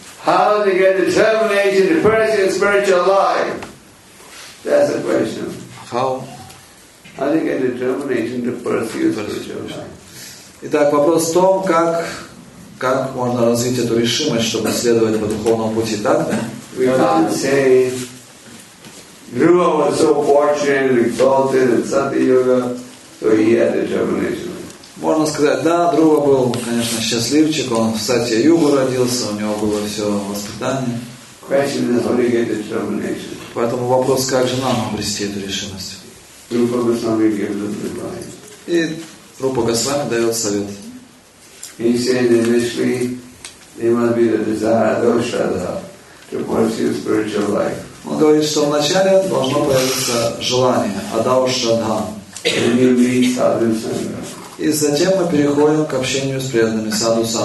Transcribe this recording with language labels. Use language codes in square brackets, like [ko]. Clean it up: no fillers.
[en] How to get determination to pursue spiritual life? That's the question. How? How to get determination to pursue spiritual life? [ru] Итак, вопрос в том, как можно развить эту решимость, чтобы следовать по духовному пути, да? [en] We can't say Guru was so fortunate and exalted in Satya Yoga, so he had determination. [ru] Можно сказать, да, Друва был, конечно, счастливчик, он в Сатья Югу родился, у него было все воспитание. [en] Question is, how do you get determination? [ru] Поэтому вопрос, как же нам обрести эту решимость? [en] Rupa Goswami gives us advice. [ru] И Рупа Госвами дает совет. [en] He said initially, there must be the desire, doshada, to pursue spiritual life. [ru] Он говорит, что вначале должно появиться желание, адаушадха. И затем мы переходим к общению с преданными саду